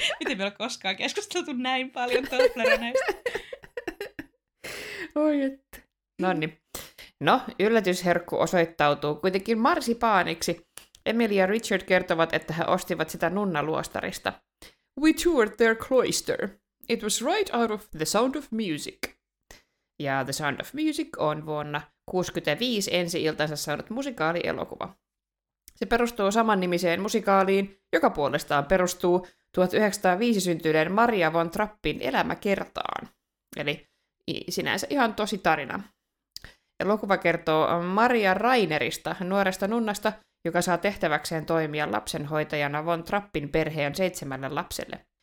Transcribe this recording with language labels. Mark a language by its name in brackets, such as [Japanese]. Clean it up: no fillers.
[Finnish] Miten me ollaan koskaan keskusteltu näin paljon Tobleroneista? Oi että. No niin. No, yllätysherkku osoittautuu kuitenkin marsipaaniksi, Emily ja Richard kertovat, että he ostivat sitä nunnaluostarista. [English] We toured their cloister. It was right out of The Sound of Music. [Finnish] Ja The Sound of Music on vuonna 1965 ensi-iltansa saanut musikaalielokuva. Se perustuu samannimiseen musikaaliin, joka puolestaan perustuu 1905 syntyneen Maria von Trappin elämäkertaan. Eli sinänsä ihan tosi tarina. Elokuva kertoo Maria Rainerista, nuoresta nunnasta, joka saa tehtäväkseen toimia lapsenhoitajana von Trappin perheen 7 lapselle.